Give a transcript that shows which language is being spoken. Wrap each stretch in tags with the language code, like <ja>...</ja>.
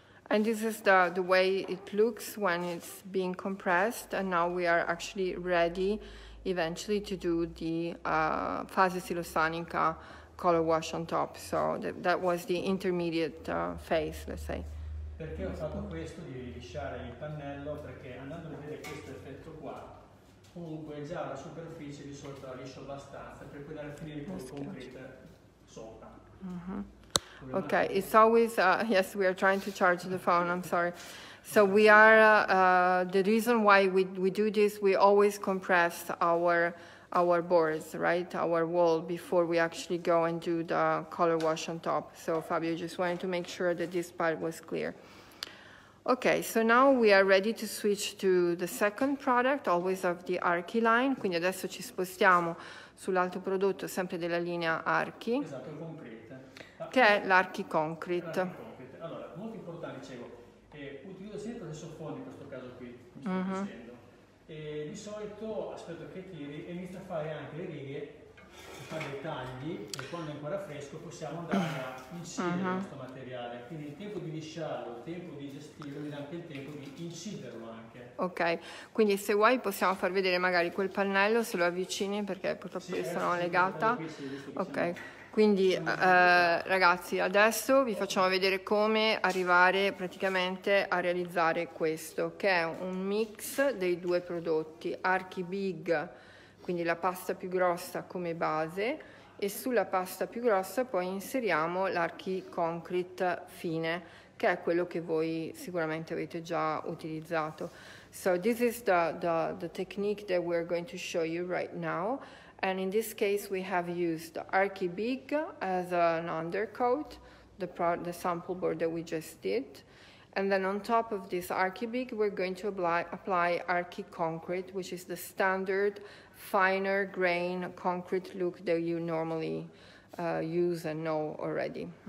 <en>And this is the way it looks when it's being compressed, and now we are actually ready eventually to do the</en> <it>fase silosanica</it> <en>color wash on top. So that was the intermediate phase, let's say.</en> <it>Perché ho fatto questo di lisciare il pannello? Perché andando a vedere questo effetto qua, comunque già la superficie di solito la liscio abbastanza per poi andare a finire con il concrete sopra.</it> <en>Okay, it's always, yes, we are trying to charge the phone, I'm sorry. So we are, the reason why we do this, we always compress our boards, right? Our wall before we actually go and do the color wash on top. So Fabio just wanted to make sure that this part was clear. Okay, so now we are ready to switch to the second product, always of the Archi line.</en> <it>Quindi adesso ci spostiamo sull'altro prodotto, sempre della linea Archi. Esatto, concrete. Che è l'Archi Concrete. Allora, molto importante, dicevo, utilizzo sempre lo stesso fondo in questo caso qui, mi sto dicendo. E di solito aspetto che tiri e inizio a fare anche le righe, a fare dei tagli, e quando è ancora fresco possiamo andare a incidere questo materiale. Quindi il tempo di lisciarlo, il tempo di gestirlo, mi dà anche il tempo di inciderlo anche. Ok, quindi se vuoi possiamo far vedere magari quel pannello, se lo avvicini, perché purtroppo sì, sono legata. Qui, sì, ok. Quindi ragazzi, adesso vi facciamo vedere come arrivare praticamente a realizzare questo, che è un mix dei due prodotti, Archi Big, quindi la pasta più grossa come base, e sulla pasta più grossa poi inseriamo l'Archi Concrete fine, che è quello che voi sicuramente avete già utilizzato.</it> <en>So this is the technique that we're going to show you right now. And in this case, we have used Archi Big as an undercoat, the sample board that we just did. And then on top of this Archi Big, we're going to apply Archi Concrete, which is the standard finer grain concrete look that you normally use and know already.</en>